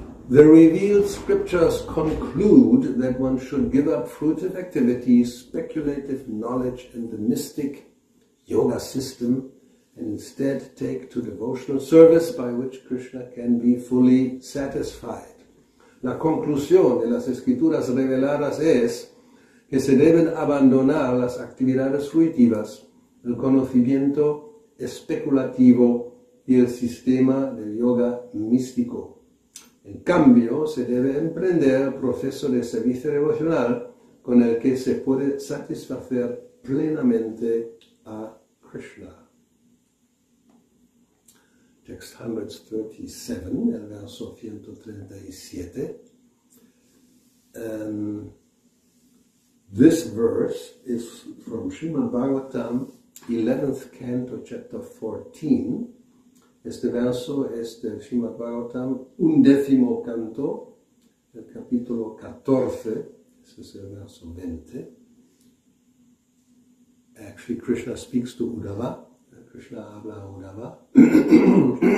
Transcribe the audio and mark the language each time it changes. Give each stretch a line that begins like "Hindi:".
English: The revealed scriptures conclude that one should give up fruitive activities, speculative knowledge, and the mystic yoga system, and instead take to devotional service by which Krishna can be fully satisfied.
Spanish: La conclusión de las escrituras reveladas es que se deben abandonar las actividades fruitivas, el conocimiento especulativo y el sistema del yoga místico. En cambio, se debe emprender un proceso de servicio devocional con el que se puede satisfacer plenamente a Krishna. Text 137, el verso 137.
English: This verse is from Srimad Bhagavatam, 11th canto, chapter 14.
Spanish: Este verso es de Srimad Bhagavatam, undécimo canto, el capítulo 14, ese es el verso 20.
English: Actually, Krishna speaks to Uddhava.
Spanish: Krishna habla a Uddhava.